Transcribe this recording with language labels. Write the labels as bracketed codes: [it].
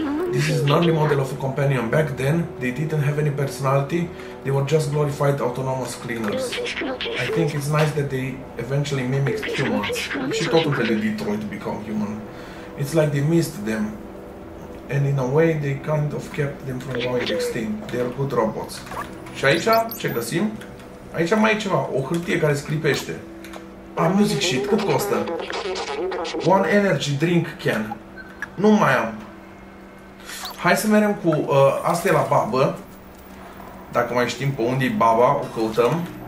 [en] This is an early model of a companion. Back then, they didn't have any personality. They were just glorified autonomous cleaners. I think it's nice that they eventually mimicked humans. [ro] Și totul pe Detroit become human. [en] It's like they missed them. And in a way, they kind of kept them from going extinct. They are good robots. [ro] Și aici, ce găsim? Aici mai e ceva, o hârtie care scripește. A, music sheet, cât costă? [en] One energy drink can. [ro] Nu mai am. Hai să mergem cu asta e la babă. Dacă mai știm pe unde e baba, o căutăm.